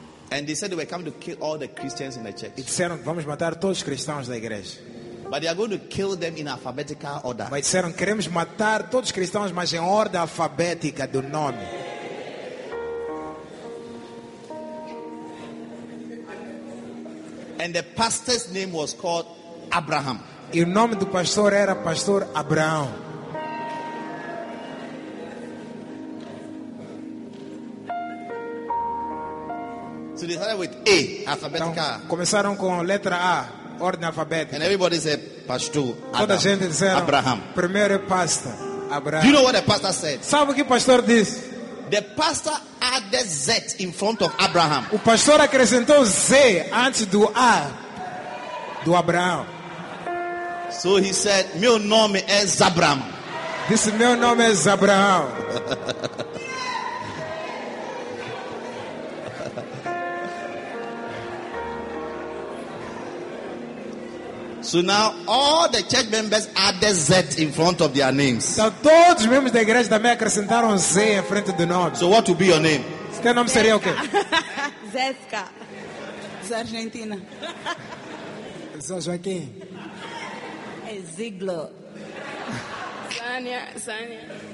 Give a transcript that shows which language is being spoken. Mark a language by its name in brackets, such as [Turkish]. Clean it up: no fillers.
[English] And they said they were coming to kill all the Christians in the church. [Portuguese] E disseram, vamos matar todos os cristãos da igreja. [English] But they are going to kill them in alphabetical order. [Portuguese] Mas disseram, queremos matar todos os cristãos, mas em ordem alfabética do nome. [English] And the pastor's name was called Abraham. [Portuguese] E o nome do pastor era Pastor Abraão. [English] So they started with A, alphabetical. [Portuguese] Então, começaram com a letra A, ordem alfabética. [English] And everybody said, Pastor Adam, [Portuguese] toda a gente disseram, [English] Abraham. [Portuguese] Primeiro é pastor Abraham. [English] Do you know what the pastor said? [Portuguese] Sabe o que o pastor disse? [English] The pastor added Z in front of Abraham. [Portuguese] O pastor acrescentou Z antes do A do Abraão. [English] So he said, [Portuguese] meu nome é Zabraham. Disse, meu nome é Zabraão. [English] So now all the church members added Z in front of their names. [Portuguese] Então todos os membros da igreja também acrescentaram Z em frente do nome. [English] So what will be your name? [Portuguese] Seu nome seria o quê? Zesca. Z Argentina. Z Joaquim. É Ziglo. Sânia, Sânia.